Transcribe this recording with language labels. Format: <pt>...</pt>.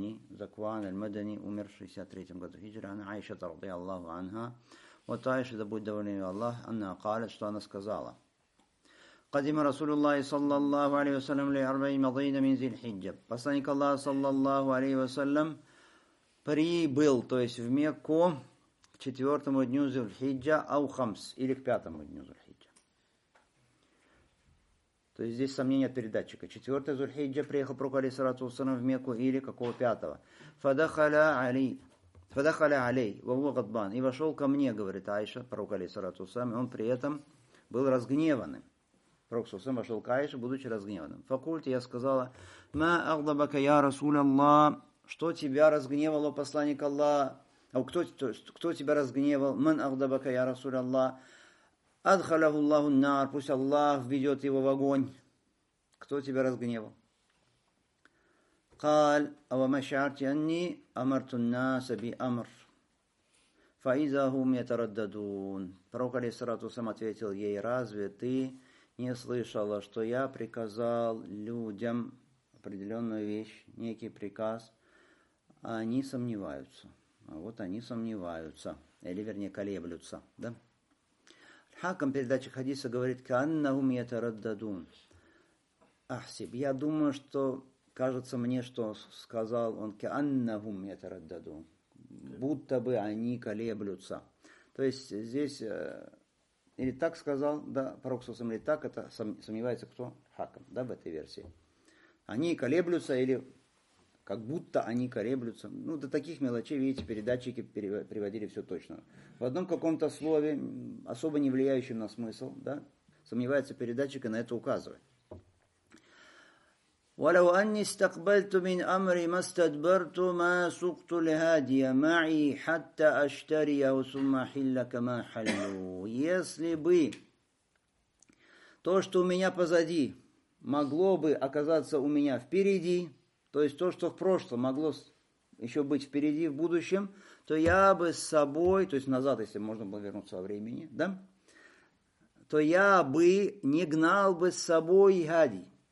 <ru>Закван Аль-Мадани, умер в 63-м году хиджры. Ан-Айша, тарди Аллаху анха. Вот Айша, да будь доволен ее Аллах, она каала, что она сказала.</ru> <ar>قدم رسول الله صلى الله عليه وسلم لأربعين مضين من ذي الحجة.</ar> <ru>Посланник Аллаха</ru> <ar>صلى الله عليه وسلم</ar> <ru>прибыл, то есть в Мекку, к четвертому дню ذي الحجة, ау хамс, или к пятому дню ذي الحجة. То есть здесь сомнение от передатчика. Четвертый ذي الحجة приехал пророк, алейхиссалату ва салям, в Мекку, или какого пятого.</ru> <ar>فدخل علي, Фадахали алей, вову гадбан,</ar> <ru>и вошел ко мне, говорит Айша, пророк алей салату ассалям, и он при этом был разгневанным. Пророк салям вошел к Айше, будучи разгневанным. Факульте я сказала,</ru> <ar>ма агдабака я расуль Аллах,</ar> <ru>что тебя разгневало, посланник Аллах? А кто тебя разгневал?</ru> <ar>Ман агдабака я расуль Аллах, адхалаху Аллаху нар,</ar> <ru>пусть Аллах введет его в огонь. Кто тебя разгневал?</ru> <ar>قال أو ما شعرت أني أمرت الناس بأمر فإذا هم يترددون.</ar> <ru>Пророк алейхиссалату ассалям ответил ей: разве ты не слышала, что я приказал людям определенную вещь, некий приказ, а они сомневаются. А вот они сомневаются, или вернее колеблются, да? Хакам передачи хадиса говорит:</ru> <ar>каннахум йатараддадун.</ar> <ru>Ахсиб, я думаю, что кажется мне, что сказал он</ru> <ar>«кианнахум ятараддаду»,</ar> <ru>будто бы они колеблются. То есть здесь или так сказал, да, пророк салям, или так, это сомневается кто? Хакам, да, в этой версии. Они колеблются или как будто они колеблются. Ну, до таких мелочей, видите, передатчики приводили все точно. В одном каком-то слове, особо не влияющем на смысл, да, сомневается передатчик и на это указывает.</ru> <ar>ولو أني استقبلت من أمري ما استدبرت ما سقت الهادي معي حتى أشتريه ثم حل كما حلوا.</ar> <ru>Если бы то, что у меня позади, могло бы оказаться у меня впереди, то есть то, что в прошлом могло еще быть впереди в будущем, то я бы с собой, то есть назад, если можно было вернуться во времени, да, то я бы не гнал бы с собой гади.</ru>